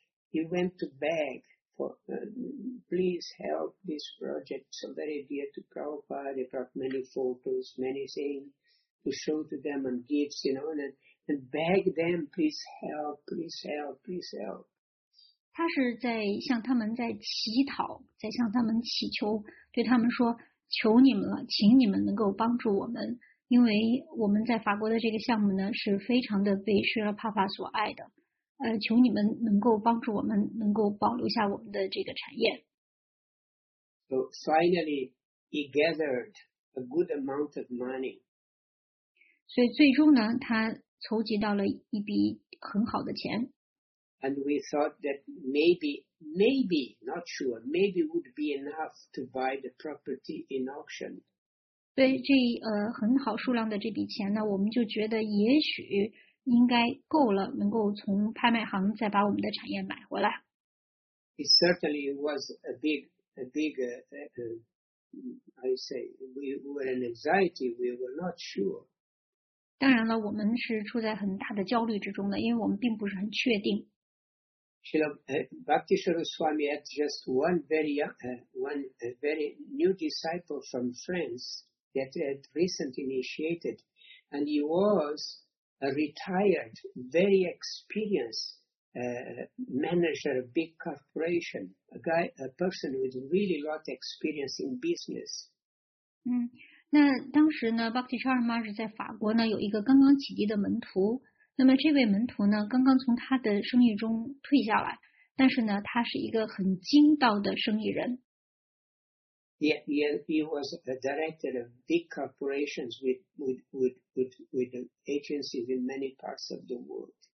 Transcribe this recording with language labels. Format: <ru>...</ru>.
<en>He went to beg for, please help this project. So very dear to Prabhupada, he brought many photos, many things to show to them and gifts, you know, and beg them, please help, please help, please help.</en> <zh>他是在向他们在乞讨，在向他们祈求，对他们说。求你们了，请你们能够帮助我们，因为我们在法国的这个项目呢是非常的被舒拉帕帕所爱的，求你们能够帮助我们，能够保留下我们的这个产业。</zh> <en>So finally, he gathered a good amount of money.</en> <zh>所以最终呢，他筹集到了一笔很好的钱。</zh> <en>And we thought that maybe, not sure, maybe would be enough to buy the property in auction.</en> <zh>对这很好数量的这笔钱呢，我们就觉得也许应该够了，能够从拍卖行再把我们的产业买回来。</zh> <en>It certainly was a big, we were in anxiety, we were not sure.</en> <zh>当然了，我们是处在很大的焦虑之中的，因为我们并不是很确定。</zh> <en>Bhakti Saraswami had just one very new disciple from France that had recently initiated, and he was a retired, very experienced manager of a big corporation, a person with really a lot of experience in business.</en> <zh>那当时呢 ，Bhakti Saraswami 在法国呢有一个刚刚起迹的门徒。那么这位门徒呢，刚刚从他的生意中退下来，但是呢，他是一个很精到的生意人。</zh> <en>Yeah, he was a director of big corporations with agencies in many parts of the world.</en>